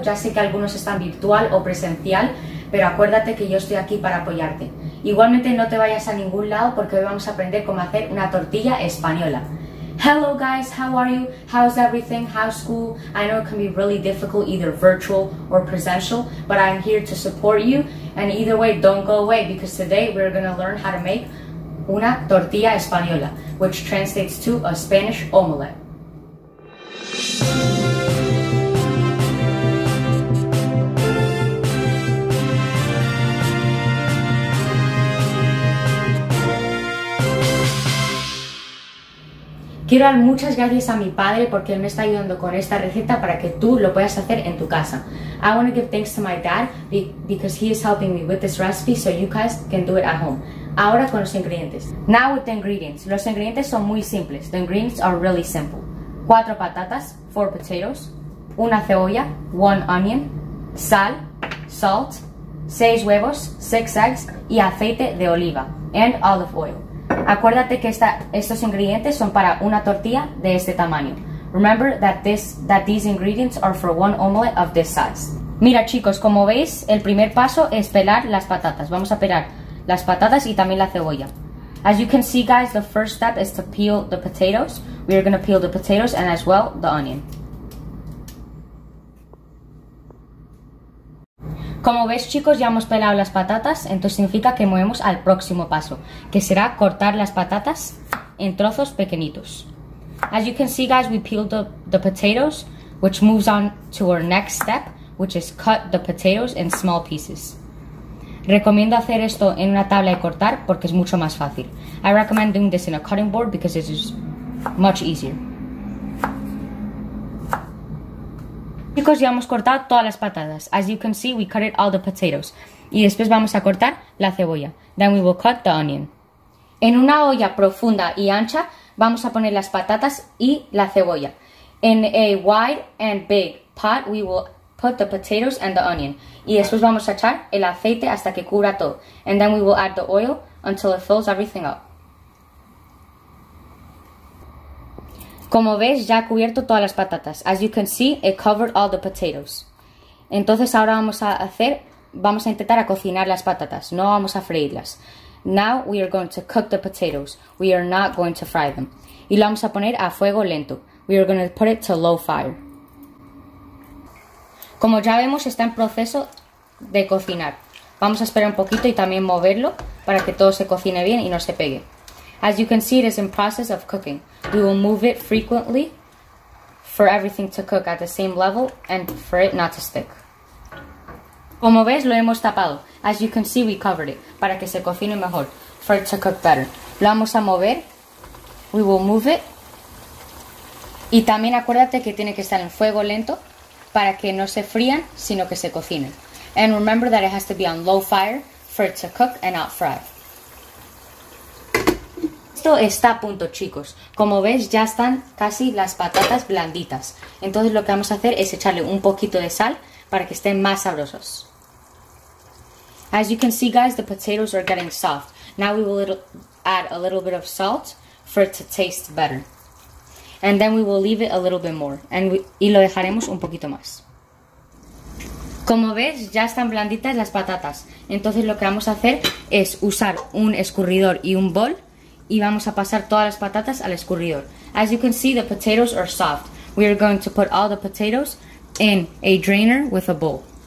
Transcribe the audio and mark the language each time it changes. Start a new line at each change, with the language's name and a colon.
Spanish: Ya sé que algunos están virtual o presencial, pero acuérdate que yo estoy aquí para apoyarte. Igualmente no te vayas a ningún lado porque hoy vamos a aprender cómo hacer una tortilla española.
English: Hello guys, how are you? How's everything? How's school? I know it can be really difficult, either virtual or presential, but I'm here to support you. And either way, don't go away because today we're going to learn how to make
Spanish: una tortilla española,
English: which translates to a Spanish omelette.
Spanish: Quiero dar muchas gracias a mi padre porque él me está ayudando con esta receta para que tú lo puedas hacer en tu casa.
English: I want to give thanks to my dad because he is helping me with this recipe so you guys can do it at home.
Spanish: Ahora con los ingredientes.
English: Now with the ingredients.
Spanish: Los ingredientes son muy simples.
English: The ingredients are really simple.
Spanish: 4 patatas,
English: 4 potatoes,
Spanish: 1 cebolla,
English: 1 onion,
Spanish: sal,
English: salt,
Spanish: 6 huevos,
English: 6 eggs
Spanish: y aceite de oliva
English: and olive oil.
Spanish: Acuérdate que estos ingredientes son para una tortilla de este tamaño.
English: Remember that these ingredients are for one omelette of this size.
Spanish: Mira chicos, como veis, el primer paso es pelar las patatas. Vamos a pelar las patatas y también la cebolla.
English: As you can see guys, the first step is to peel the potatoes. We are going to peel the potatoes and as well the onion.
Spanish: Como ves chicos, ya hemos pelado las patatas, entonces significa que movemos al próximo paso, que será cortar las patatas en trozos pequeñitos.
English: As you can see guys, we peeled the potatoes, which moves on to our next step, which is cut the potatoes in small pieces.
Spanish: Recomiendo hacer esto en una tabla de cortar porque es mucho más fácil.
English: I recommend doing this in a cutting board because it is much easier.
Spanish: Chicos, ya hemos cortado todas las patatas.
English: As you can see, we cut all the potatoes.
Spanish: Y después vamos a cortar la cebolla.
English: Then we will cut the onion.
Spanish: En una olla profunda y ancha, vamos a poner las patatas y la cebolla.
English: In a wide and big pot, we will put the potatoes and the onion.
Spanish: Y después vamos a echar el aceite hasta que cubra todo.
English: And then we will add the oil until it fills everything up.
Spanish: Como ves, ya ha cubierto todas las patatas.
English: As you can see, it covered all the potatoes.
Spanish: Entonces ahora vamos a intentar a cocinar las patatas. No vamos a freírlas.
English: Now we are going to cook the potatoes. We are not going to fry them.
Spanish: Y lo vamos a poner a fuego lento.
English: We are going to put it to low fire.
Spanish: Como ya vemos, está en proceso de cocinar. Vamos a esperar un poquito y también moverlo para que todo se cocine bien y no se pegue.
English: As you can see, it is in process of cooking. We will move it frequently for everything to cook at the same level and for it not to stick.
Spanish: Como ves, lo hemos tapado.
English: As you can see, we covered it.
Spanish: Para que se cocine mejor.
English: For it to cook better.
Spanish: Lo vamos a mover.
English: We will move it.
Spanish: Y también acuérdate que tiene que estar en fuego lento para que no se frían, sino que se cocinen.
English: And remember that it has to be on low fire for it to cook and not fry.
Spanish: Está a punto chicos, como ves ya están casi las patatas blanditas, entonces lo que vamos a hacer es echarle un poquito de sal para que estén más sabrosos.
English: As you can see guys, the potatoes are getting soft. Now we will add a little bit of salt for it to taste better and then we will leave it a little bit more
Spanish: y lo dejaremos un poquito más. Como ves, ya están blanditas las patatas, entonces lo que vamos a hacer es usar un escurridor y un bol y vamos a pasar todas las patatas al escurridor.
English: As you can see, the potatoes are soft. We are going to put all the potatoes in a drainer with a bowl.